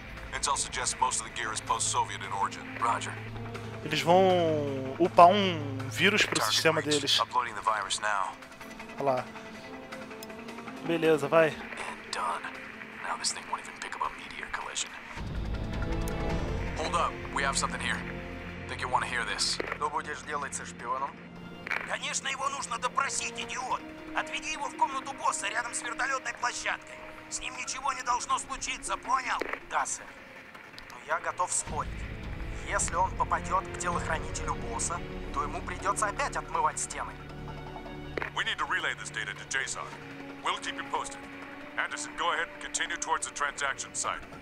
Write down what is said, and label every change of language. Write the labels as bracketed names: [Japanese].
[English] Intel suggests most of the gear is post-Soviet in origin. Roger. [Portuguese] Eles vão upar um vírus pro sistema deles. [English] Uploading the virus now. [Portuguese] Olha lá. Beleza, vai. [English] And done. Now this thing won't even pick up a meteor collision. Hold up, we have something here. Think you want to hear this? [Russian] Что будешь делать со шпионом? Конечно, его нужно допросить, идиот. Отведи его в комнату босса рядом с вертолетной площадкой. С ним ничего не должно случиться, понял? Да, сэр. Но я готов спорить. Если он попадет к телохранителю босса, то ему придется опять отмывать стены. [English] We need to relay this data to JSON. We'll keep him posted. Anderson, go ahead and continue towards the transaction site.